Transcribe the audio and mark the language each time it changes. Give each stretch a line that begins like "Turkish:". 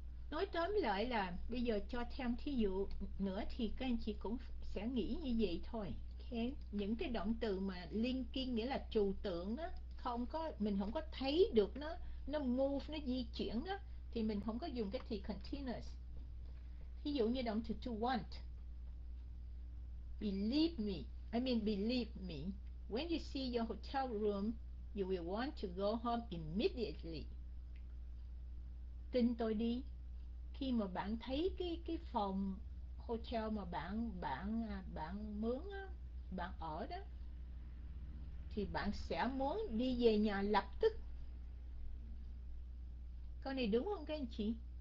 Vietnamese: Nói tóm lại là bây giờ cho thêm thí dụ nữa thì các anh chị cũng sẽ nghĩ như vậy thôi. Okay. Những cái động từ mà linking nghĩa là trừu tượng đó, không có mình không có thấy được nó move, nó di chuyển đó, thì mình không có dùng cái thì continuous. Ví dụ như động từ to want.
English: Believe me, I mean believe me, when you see your hotel room, you will want to go home immediately.
Vietnamese: Tin tôi đi, khi mà bạn thấy cái phòng hotel mà bạn bạn bạn mướn á, bạn ở đó, thì bạn sẽ muốn đi về nhà lập tức. Câu này đúng không các anh chị?